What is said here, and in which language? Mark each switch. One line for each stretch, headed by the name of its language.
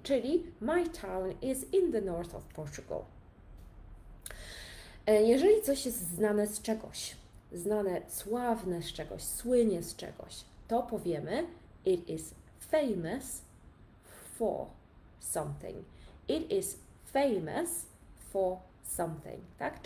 Polish: Czyli
English: my town is in the north of Portugal.
Polish: Jeżeli coś jest znane z czegoś, znane, sławne z czegoś, słynie z czegoś, to powiemy
English: it is famous for something. It is famous for something,
Polish: tak?